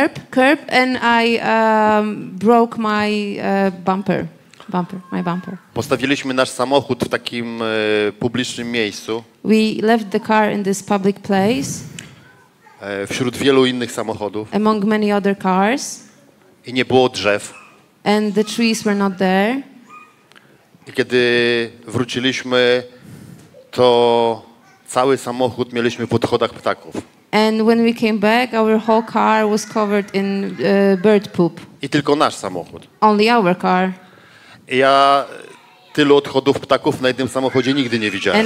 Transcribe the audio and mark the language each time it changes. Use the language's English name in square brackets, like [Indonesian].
[English] Curb, and I broke my bumper. My bumper. [Polish] Postawiliśmy nasz samochód w takim publicznym miejscu. [English] We left the car in this public place. [Polish] Wśród wielu innych samochodów. [English] Among many other cars. [Polish] I nie było drzew. [English] And the trees were not there. [Polish] I kiedy wróciliśmy, to cały samochód mieliśmy w odchodach ptaków. [English] And when we came back, our whole car was covered in bird poop. [Polish] I tylko nasz samochód. [English] Only our car. [Polish] Ja tylu odchodów ptaków na jednym samochodzie nigdy nie widziałem.